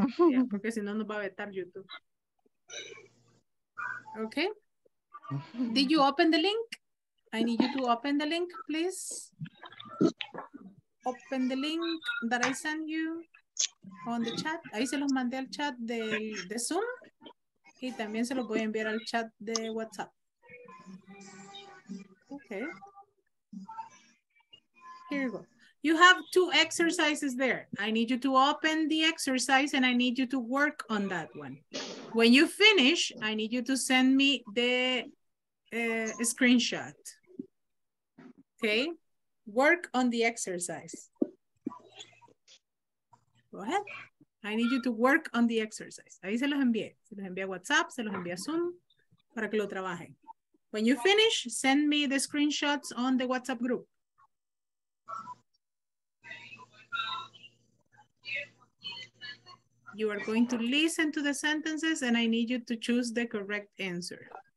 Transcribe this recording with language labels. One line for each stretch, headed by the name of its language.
Spanish: Yeah, porque si no nos va a vetar YouTube.
English: Okay. Did you open the link? I need you to open the link, please. Open the link that I sent you on the chat.
Spanish: Ahí se los mandé al chat de Zoom. Y también se los voy a enviar al chat de WhatsApp.
English: Okay. Here you go. You have 2 exercises there. I need you to open the exercise and I need you to work on that one. When you finish, I need you to send me the screenshot. Okay, work on the exercise. Go ahead. I need you to work on the exercise.
Spanish: Ahí se los envié. Se los envié a WhatsApp, se los envié a Zoom para que lo trabajen.
English: When you finish, send me the screenshots on the WhatsApp group. You are going to listen to the sentences and I need you to choose the correct answer.